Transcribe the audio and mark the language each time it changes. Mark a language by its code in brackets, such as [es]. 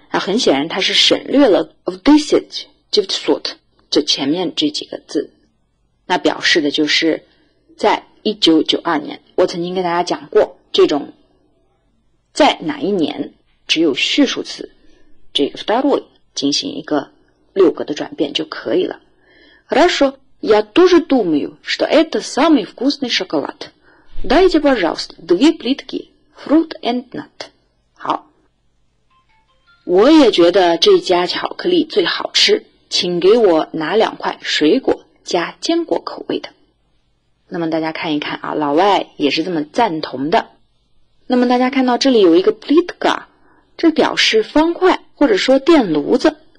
[zh] 啊，很显然他是省略了 [ru] в десять девятьсот [zh] 这前面这几个字，那表示的就是在1992年。我曾经跟大家讲过，这种在哪一年只有叙述词这个 второй 进行一个六格的转变就可以了。 [ru] Хорошо, я тоже думаю, что это самый вкусный шоколад. Дайте, пожалуйста, две плитки [en] fruit and nut. [zh] 好。我也觉得这家巧克力最好吃，请给我拿两块水果加坚果口味的。那么大家看一看啊，老外也是这么赞同的。那么大家看到这里有一个 plitka， 这表示方块或者说电炉子。